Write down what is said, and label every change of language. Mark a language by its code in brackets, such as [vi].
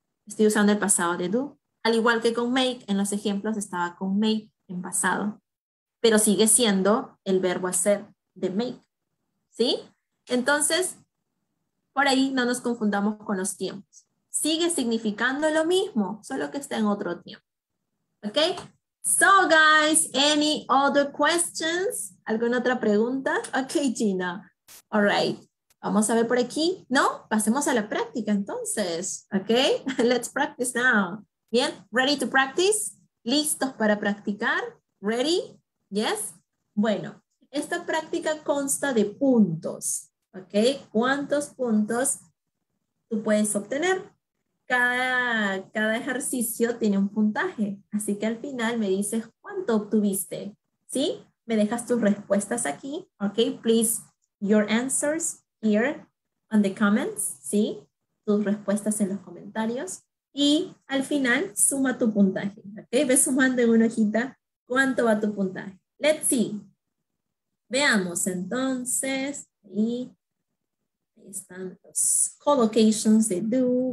[es] Estoy usando el pasado de do. Al igual que con make, en los ejemplos estaba con make en pasado, pero sigue siendo el verbo hacer de make. ¿Sí? Entonces, por ahí no nos confundamos con los tiempos. Sigue significando lo mismo, solo que está en otro tiempo. ¿Ok? [en] So, guys, any other questions? [es] ¿Alguna otra pregunta? Ok, Gina. [en] All right. [es] Vamos a ver por aquí. No, pasemos a la práctica entonces. [en] ¿Ok? Let's practice now. [es] Bien, [en] ready to practice. [es] ¿Listos para practicar? [en] ¿Ready? Yes. [es] Bueno, esta práctica consta de puntos. Okay. ¿Cuántos puntos tú puedes obtener? Cada ejercicio tiene un puntaje, así que al final me dices cuánto obtuviste. ¿Sí? Me dejas tus respuestas aquí. [en] Ok, please, your answers here on the comments. [es] ¿Sí? Tus respuestas en los comentarios. Y al final suma tu puntaje. Ok, ve sumando en una hojita cuánto va tu puntaje. [en] Let's see. [es] Veamos entonces. Y están los collocations de do.